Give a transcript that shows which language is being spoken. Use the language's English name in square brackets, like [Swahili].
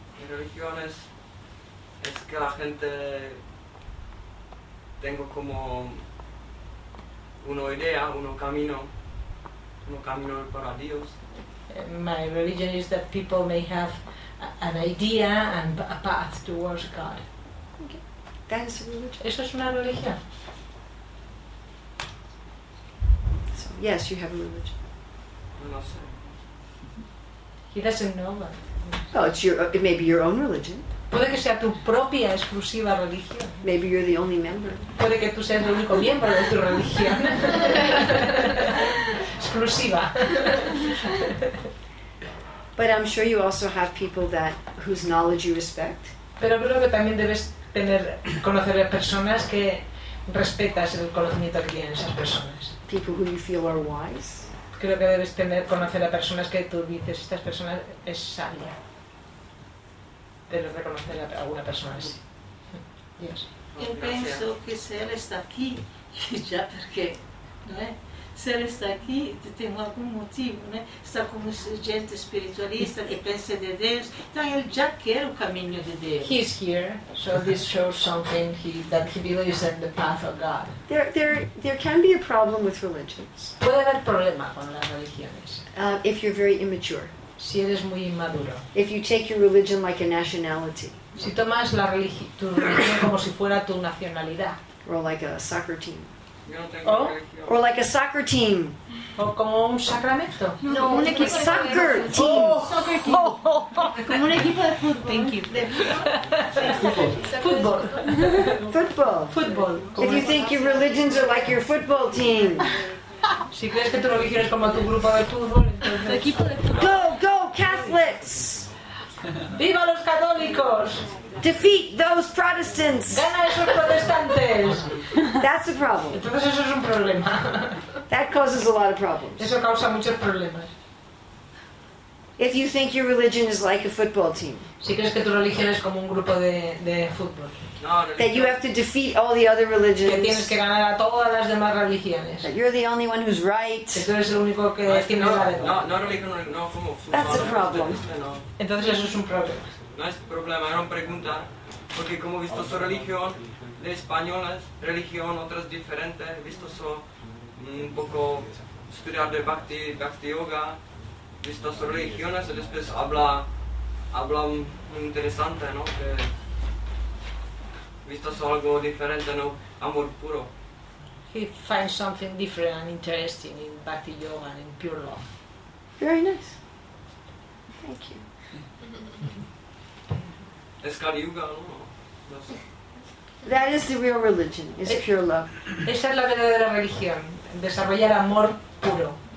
[Spanish] La religión es que la gente tengo como una idea, uno camino para Dios. [English] My religion is that people may have an idea and a path towards God. Okay. That is a religion. [Spanish] Eso es una religión. [English] So, yes, you have a religion. [Spanish] No sé. [English] He doesn't know that. Well, it may be your own religion. [Spanish] Puede que sea tu propia exclusiva religión. [English] Maybe you're the only member. [Spanish] Puede que tú seas el único miembro de tu religión. Exclusiva. [English] But I'm sure you also have people that whose knowledge you respect. [Spanish] Pero creo que también debes tener conocer a personas que respetas el conocimiento que tienen esas personas. [English] People who you feel are wise. [Spanish] Creo que debes tener conocer a personas que tú dices estas personas es sabia. Debes reconocer a alguna persona así. Yes. Yo pienso que si él está aquí ya porque, ¿no? [Portuguese] Se ele está aqui, tem algum motivo, né? Está com gente espiritualista que pensa de Deus, então ele já quer o caminho de Deus. [English] He is here, so this shows something that he believes in the path of God. There can be a problem with religions. [Spanish] Puede haber problema con las religiones. [English] If you're very immature. [Spanish] Si eres muy inmaduro. [English] If you take your religion like a nationality. [Spanish] Si tomas la tu religión como si fuera tu nacionalidad. [English] Or like a soccer team. [Spanish] No [English] or like a soccer team. [Spanish] O como un sacramento. No, un equipo de [English] soccer [Spanish] fútbol. [English] Team. [Spanish] Oh. [English] Soccer team. [Spanish] Oh. Como un equipo de fútbol. [English] Thank you. Football. Football. If you think your religions are like your football team. [Spanish] Si crees que tu religión es como tu grupo de fútbol, entonces. Equipo de fútbol. [English] Go Catholics. [Spanish] Viva los católicos. [English] Defeat those Protestants. [Spanish] Gana esos protestantes. [English] That's a problem. [Spanish] Entonces eso es un problema. [English] That causes a lot of problems. [Spanish] Eso causa muchos problemas. [English] If you think your religion is like a football team. [Spanish] Si crees que tu religión es como un grupo de fútbol. No, [English] that you have to defeat all the other religions. [Spanish] Que tienes que ganar a todas las demás religiones. [English] That you're the only one who's right. [Spanish] Que tú eres el único que no, tiene no, la verdad. No, no religión, no como fútbol. [English] That's a problem. [Spanish] Entonces eso es un problema. No es problema, era una pregunta. Porque como he visto su religión, de españolas, religión, otras diferentes, he visto su un poco estudiar de Bhakti, Bhakti Yoga, he visto su religión, y después habla muy interesante, ¿no? Que, visto algo diferente, ¿no? Amor puro. [English] He finds something different and interesting in Bhakti Yoga and in pure love. Very nice. Thank you. [Spanish] Es Kali Yuga, ¿no? [English] That is the real religion, is pure love. [Spanish] Esa es la verdadera religión, desarrollar amor puro.